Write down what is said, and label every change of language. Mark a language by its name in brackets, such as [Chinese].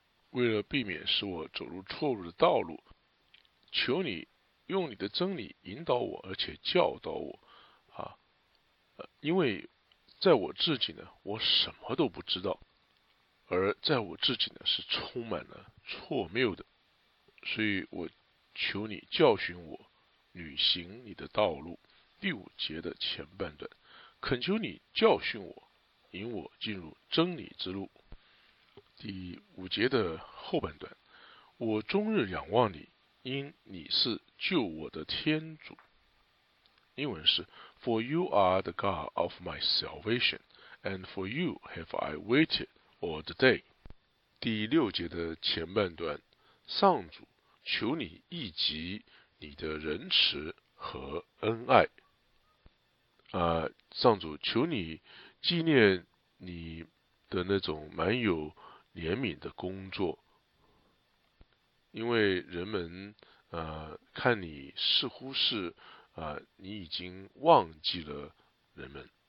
[Chinese] 为了避免使我走入错误的道路，求你用你的真理引导我，而且教导我因为在我自己呢，我什么都不知道，而在我自己呢是充满了错谬的，所以我求你教训我履行你的道路。第五节的前半段，恳求你教训我引我进入真理之路。第五节的后半段，我终日仰望你，因你是救我的天主，英文是 [English] For you are the God of my salvation, and for you have I waited all the day。 [Chinese] 第六节的前半段，上主，求你益及你的仁慈和恩爱上主，求你纪念你的那种满有怜悯的工作，因为人们看你似乎是你已经忘记了人们。